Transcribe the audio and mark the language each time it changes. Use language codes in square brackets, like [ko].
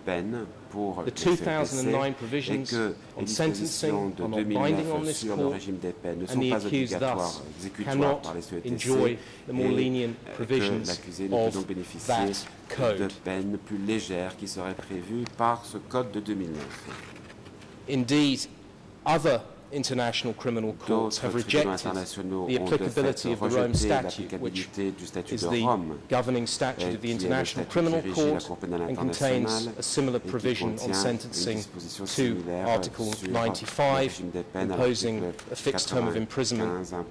[en] The 2009 provisions on sentencing are not binding on this court, and the accused thus cannot enjoy the more lenient provisions of that code. [fr] Peine plus légère qui serait prévue par ce code de 2009. [en] Indeed, other international criminal courts have rejected the applicability of the Rome Statute, which is the governing statute of the International Criminal Court and contains a similar provision on sentencing to Article 95, imposing a fixed term of imprisonment